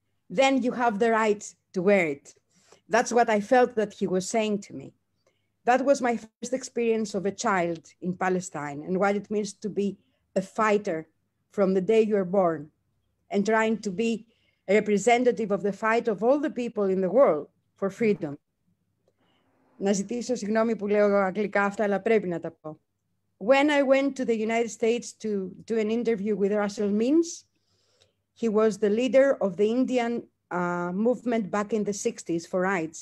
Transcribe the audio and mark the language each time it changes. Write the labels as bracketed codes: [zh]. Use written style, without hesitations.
[en] Then you have the right to wear it." That's what I felt that he was saying to me. That was my first experience of a child in Palestine and what it means to be a fighter from the day you are born and trying to be a representative of the fight of all the people in the world for freedom. [el] Να ζητήσω συγγνώμη που λέω αγγλικά αυτά, αλλά πρέπει να τα πω. [en] When I went to the United States to do an interview with Russell Means, he was the leader of the Indian movement back in the 60s for rights.